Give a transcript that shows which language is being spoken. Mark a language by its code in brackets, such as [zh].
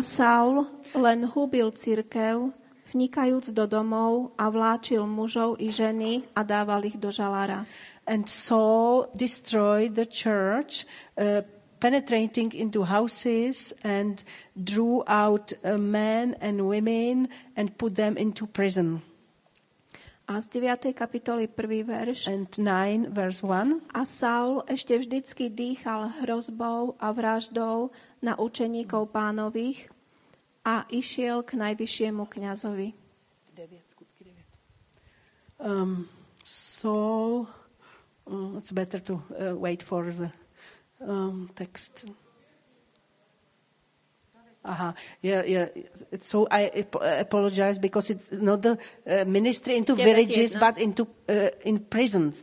[sk] Saul len hubil cirkev, vnikajúc do domov a vláčil mužov i ženy a dával ich do žalára. [en] And Saul destroyed the church, penetrating into houses and drew out men and women and put them into prison. [sk] A z 9. kapitoly 1. verš. [en] And 9 verse 1. [sk] A Saul ešte vždycky dýchal hrozbou a vraždou na učeníkov Pánových a išiel k najvyššiemu kňazovi. 9 skutky 9. [en] Saul, it's better to wait for the text. Aha, yeah. So I apologize because it's not the ministry into villages, but into in prisons.